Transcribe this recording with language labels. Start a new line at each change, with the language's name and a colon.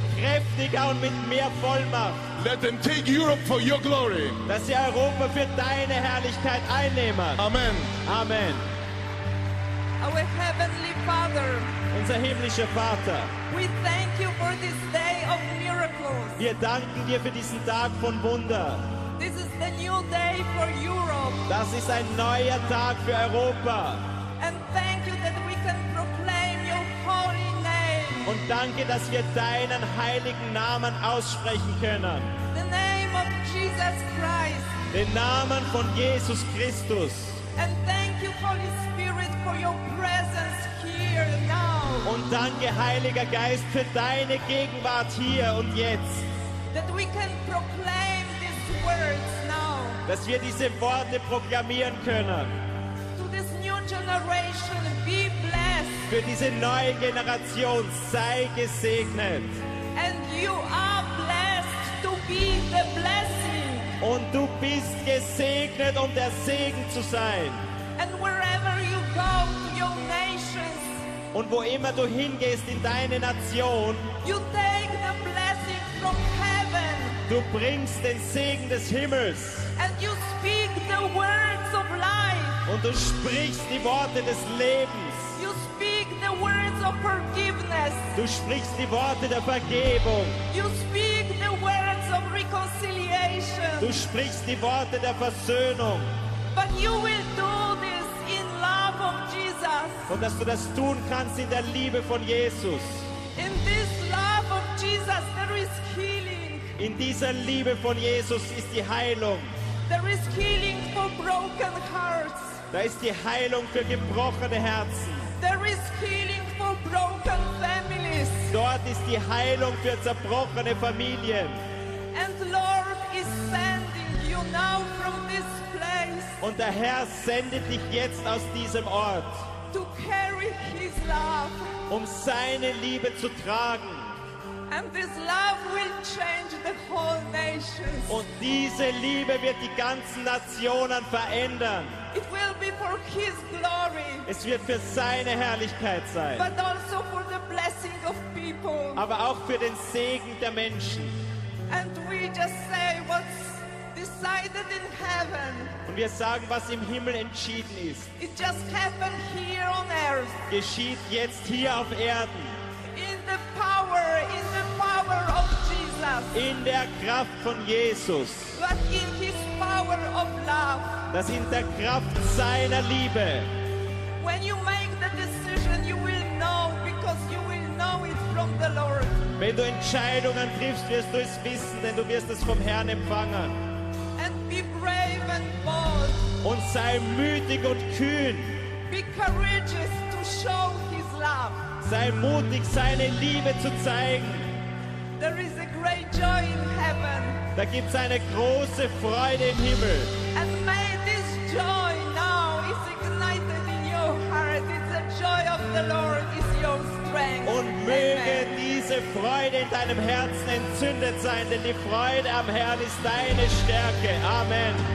German: Kräftiger und mit mehr Vollmacht.
English: Let them take Europe for your glory.
German: Dass sie Europa für deine Herrlichkeit einnehmen. Amen. Amen.
English: Our heavenly Father.
German: Unser himmlischer Vater.
English: We thank you for this day of miracles.
German: Wir danken dir für diesen Tag von Wunder.
English: This is the new day for Europe.
German: Das ist ein neuer Tag für Europa.
English: And thank you that we can proclaim your holy name.
German: Und danke, dass wir deinen heiligen Namen aussprechen können.
English: The name of Jesus Christ.
German: Den Namen von Jesus Christus.
English: And thank you, Holy Spirit, for your presence here now.
German: Und danke, Heiliger Geist, für deine Gegenwart hier und jetzt.
English: That we can proclaim words now.
German: Dass wir diese Worte proklamieren können.
English: To this new generation, be blessed.
German: Für diese neue Generation sei gesegnet.
English: And you are blessed to be the blessing.
German: Und du bist gesegnet, um der Segen zu sein.
English: And wherever you go to your nations.
German: Und wo immer du hingehst in deine Nation.
English: You take the blessing from heaven.
German: Du bringst den Segen des Himmels.
English: And you speak the words of life.
German: Und du sprichst die Worte des Lebens.
English: You speak the words of forgiveness.
German: Du sprichst die Worte der Vergebung.
English: You speak the words of reconciliation.
German: Du sprichst die Worte der Versöhnung.
English: But you will do this in love of Jesus.
German: Und dass du das tun kannst in der Liebe von Jesus.
English: In this love of Jesus there is healing.
German: In dieser Liebe von Jesus ist die Heilung.
English: There is healing for broken hearts.
German: Da ist die Heilung für gebrochene Herzen.
English: There is healing for broken families.
German: Dort ist die Heilung für zerbrochene Familien.
English: And Lord is sending you now from this place.
German: Und der Herr sendet dich jetzt aus diesem Ort.
English: To carry his love.
German: Um seine Liebe zu tragen.
English: And this love will change the whole nations.
German: Und diese Liebe wird die ganzen Nationen verändern.
English: It will be for his glory.
German: Es wird für seine Herrlichkeit sein.
English: But also for the blessing of people.
German: Aber auch für den Segen der Menschen.
English: And we just say what's the decided in heaven.
German: Und wir sagen, was im Himmel entschieden ist.
English: It just happened here on earth.
German: Geschieht jetzt hier auf Erden.
English: In the power of Jesus.
German: In der Kraft von Jesus.
English: But in his power of love.
German: Das in der Kraft seiner Liebe.
English: When you make the decision, you will know, because you will know it from the Lord.
German: Wenn du Entscheidungen triffst, wirst du es wissen, denn du wirst es vom Herrn empfangen.
English: And be brave and bold.
German: Und sei mutig und kühn.
English: Be courageous to show his love.
German: Sei mutig, seine Liebe zu zeigen.
English: There is a great joy in heaven.
German: Da gibt es eine große Freude im Himmel.
English: And may this joy now is ignited in your heart. It's the joy of the Lord is your strength.
German: Und möge diese Freude in deinem Herzen entzündet sein, denn die Freude am Herrn ist deine Stärke. Amen.